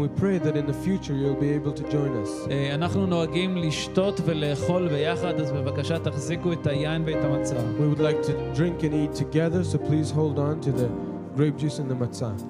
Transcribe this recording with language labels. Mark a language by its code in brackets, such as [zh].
[en] we pray that in the future you'll be able to join us. [he] אנחנו נוהגים לשתות ולאכול ביחד, אז בבקשה תחזיקו את היין ואת המצה. [en] We would like to drink and eat together, so please hold on to the grape juice and the matzah.